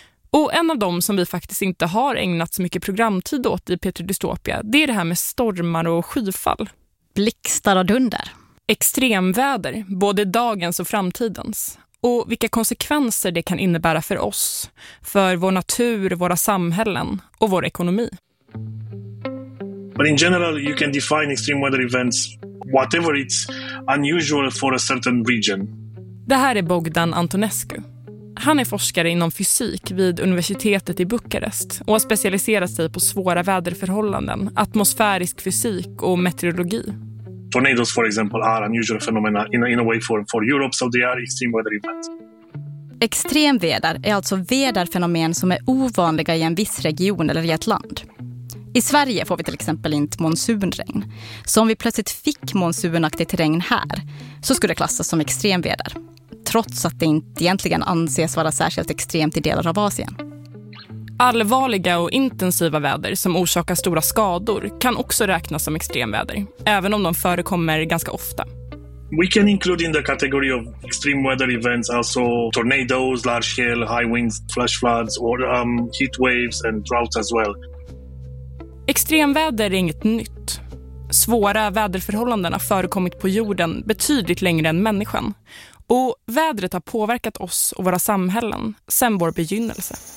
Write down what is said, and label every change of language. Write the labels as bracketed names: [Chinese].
[Swedish] Och en av dem som vi faktiskt inte har ägnat så mycket programtid åt i Petri Dystopia, det är det här med stormar och skyfall. Blixtar och dunder. Extremväder, både dagens och framtidens. Och vilka konsekvenser det kan innebära för oss, för vår natur, våra samhällen och vår ekonomi. [English] But in general you can define extreme weather events whatever it's unusual for a certain region. [Swedish] Det här är Bogdan Antonescu. Han är forskare inom fysik vid universitetet i Bukarest och har specialiserat sig på svåra väderförhållanden, atmosfärisk fysik och meteorologi. [English] Tornadoes, for example, are unusual phenomena in a way for Europe, so they are extreme weather events. [Swedish] Extremväder är alltså väderfenomen som är ovanliga i en viss region eller i ett land. I Sverige får vi till exempel inte monsunregn. Så om vi plötsligt fick monsunaktigt regn här så skulle det klassas som extremväder. Trots att det inte egentligen anses vara särskilt extremt i delar av Asien. Allvarliga och intensiva väder som orsakar stora skador kan också räknas som extremväder, även om de förekommer ganska ofta. [English] We can include in the category of extreme weather events also tornadoes, large hail, high winds, flash floods or heat waves and droughts as well. [Swedish] Extremväder är inget nytt. Svåra väderförhållanden har förekommit på jorden betydligt längre än människan. Och vädret har påverkat oss och våra samhällen sedan vår begynnelse.